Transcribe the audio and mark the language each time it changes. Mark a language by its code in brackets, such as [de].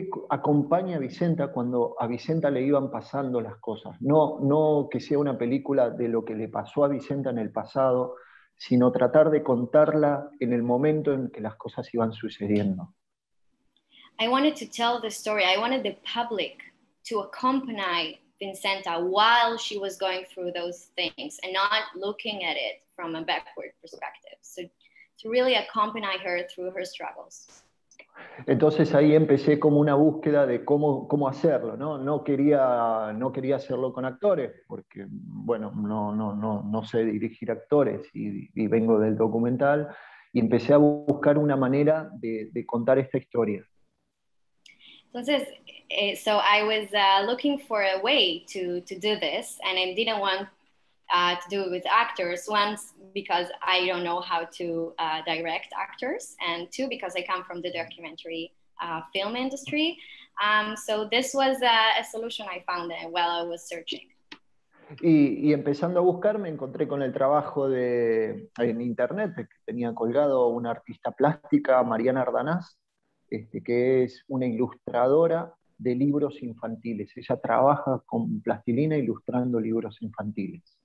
[es] acompañe a Vicenta cuando a Vicenta le iban pasando las cosas. No que sea una película de lo que le pasó a Vicenta en el pasado, sino tratar de contarla en el momento en que las cosas iban sucediendo. [en] I wanted to tell the story. I wanted the public to accompany Vicenta while she was going through those things and not looking at it from a backward perspective. So to really accompany her through her struggles. [es] Entonces ahí empecé como una búsqueda de cómo hacerlo, ¿no? No quería hacerlo con actores, porque bueno, no sé dirigir actores y vengo del documental, y empecé a buscar una manera de contar esta historia. [en] Entonces, so I was looking for a way to do this, and I didn't want to do it with actors, once because I don't know how to direct actors, and two because I come from the documentary film industry. So this was a solution I found while I was searching. [es] Y empezando a buscar, me encontré con el trabajo en internet que tenía colgado una artista plástica, Mariana Ardanás, que es una ilustradora de libros infantiles. Ella trabaja con plastilina ilustrando libros infantiles.